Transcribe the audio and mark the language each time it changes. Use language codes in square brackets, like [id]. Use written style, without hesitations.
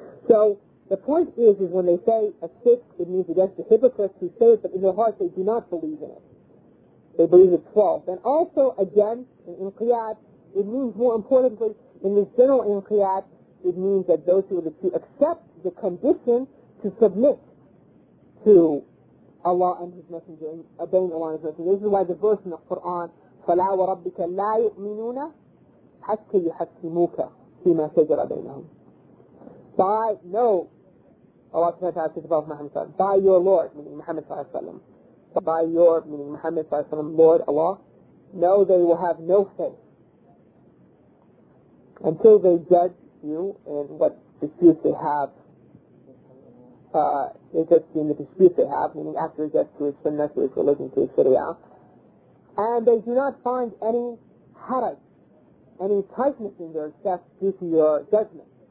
[en] So the point is when they say a sick, it means against the hypocrites who say it, but in their hearts they do not believe in it. They believe it's false. And also, again, in Inqiyad, it means more importantly, in this general Inqiyad, it means that those who are to accept the condition to submit to Allah and His Messenger, obeying Allah and His Messenger. This is why the verse in the Quran, [ar] فَلَا وَرَبِّكَ لَا يُؤْمِنُونَ حَتَّى يُحَكِّمُوكَ فِيمَا شَجَرَ بَيْنَهُمْ. [en] By no, Allah subhanahu wa ta'ala says above Muhammad sallallahu alayhi wa sallam, by your Lord, meaning Muhammad sallallahu alayhi wa sallam, by your, meaning Muhammad sallallahu alayhi wa sallam, Lord Allah, no, they will have no faith until they judge you in what dispute they have, they just in the dispute they have, meaning after they get to his sunnah, to his religion, to his sharia, and they do not find any haraj, any tightness in their steps due to your judgment.